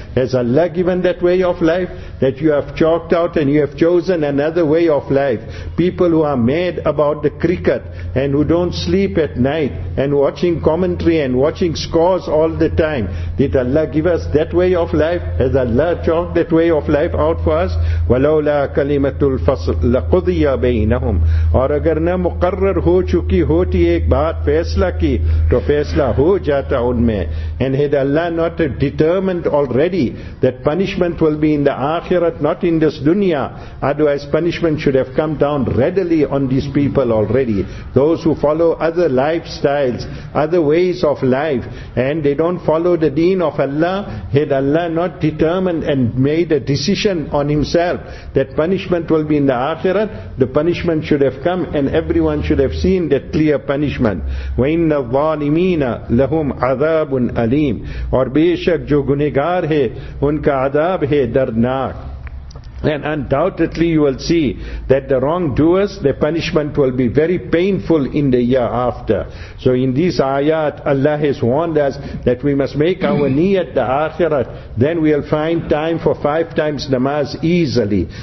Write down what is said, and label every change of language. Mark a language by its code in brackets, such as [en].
[en] Has Allah given that way of life? That you have chalked out and you have chosen another way of life. People who are mad about the cricket and who don't sleep at night and watching commentary and watching scores all the time. Did Allah give us that way of life? Has Allah chalked that way of life out for us? [ar] وَلَوْلَا كَلِمَةُ الْفَصْلِ لَقُضِيَ بَيْنَهُمْ. [ur] اور اگر نہ مقرر ہو چکی ہوتی ایک بات فیصلہ کی تو فیصلہ ہو جاتا ان میں. [en] And had Allah not determined already that punishment will be in the Akhirat, not in this dunya, otherwise punishment should have come down readily on these people already. Those who follow other lifestyles, other ways of life, and they don't follow the deen of Allah, had Allah not determined and made a decision on himself that punishment will be in the Akhirat, the punishment should have come and everyone should have seen that clear punishment. [ar] وَإِنَّ الظَّالِمِينَ لَهُمْ عَذَابٌ أَلِيمٌ. [ur] اور بے شک جو گنہگار ہے ان کا عذاب ہے دردناک. [en] And undoubtedly you will see that the wrongdoers, their punishment will be very painful in the year after. So in these ayat, Allah has warned us that we must make our niyat the Akhirat. Then we'll find time for 5 times namaz easily.